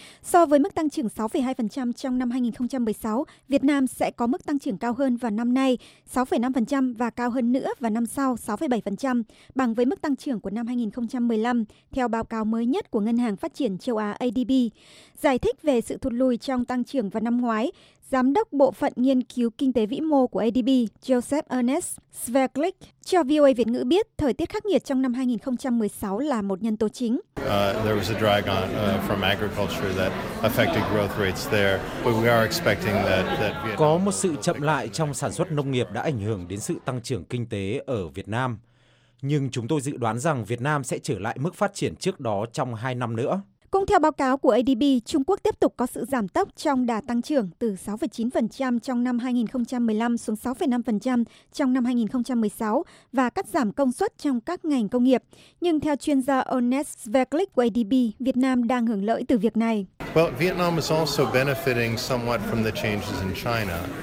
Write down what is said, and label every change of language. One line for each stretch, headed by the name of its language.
Vietnamese: So với mức tăng trưởng 6,2% trong năm 2016, Việt Nam sẽ có mức tăng trưởng cao hơn vào năm nay 6,5% và cao hơn nữa vào năm sau 6,7%, bằng với mức tăng trưởng của năm 2015, theo báo cáo mới nhất của Ngân hàng Phát triển Châu Á ADB. Giải thích về sự thụt lùi trong tăng trưởng vào năm ngoái, Giám đốc Bộ phận Nghiên cứu Kinh tế Vĩ mô của ADB Joseph Ernest Sverglick cho VOA Việt ngữ biết thời tiết khắc nghiệt trong năm 2016 là một nhân tố chính.
English: There was a drag on from agriculture that affected growth rates there, but we are expecting that Vietnam...
Vietnamese: Có một sự chậm lại trong sản xuất nông nghiệp đã ảnh hưởng đến sự tăng trưởng kinh tế ở Việt Nam. Nhưng chúng tôi dự đoán rằng Việt Nam sẽ trở lại mức phát triển trước đó trong 2 năm nữa. Cũng theo báo cáo của ADB, Trung Quốc tiếp tục có sự giảm tốc trong đà tăng trưởng từ 6,9% trong năm 2015 xuống 6,5% trong năm 2016 và cắt giảm công suất trong các ngành công nghiệp. Nhưng theo chuyên gia Ernest Sverglick của ADB, Việt Nam đang hưởng lợi từ việc này.
English: Well, Vietnam is also benefiting somewhat from the changes in China.